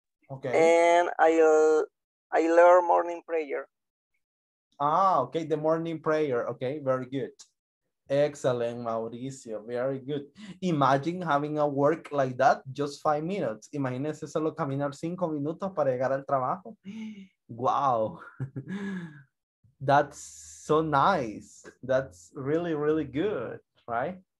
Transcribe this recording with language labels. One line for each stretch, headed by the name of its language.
English: Okay. And I learn morning prayer. Ah, okay, the morning prayer. Okay, very good. Excellent, Mauricio. Very good. Imagine having a work like that, just 5 minutes.
Spanish: Imagínese solo caminar 5 minutos para llegar al trabajo.
English: Wow. That's so nice. That's really, really good, right?